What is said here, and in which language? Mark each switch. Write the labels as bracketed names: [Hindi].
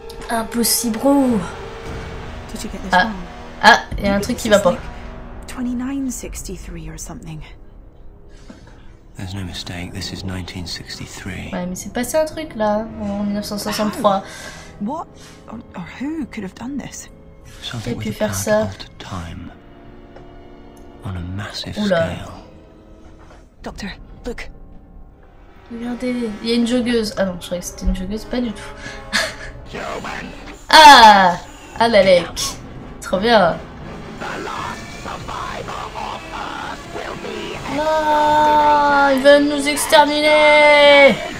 [French] Impossible. Ah, ah, il y a un truc qui va pas. [English] 2963 or something. There's no mistake, this is 1963. [French] Ouais, mais c'est passé un truc là, en 1963. [English] How? What or who could have done this? Something with the particle time on a massive scale. Doctor, look. [French] Regardez, il y a une joggeuse. Ah non, je croyais que c'était une joggeuse, pas du tout. Ah, Alalek. Trop bien. Oh, ils veulent nous exterminer.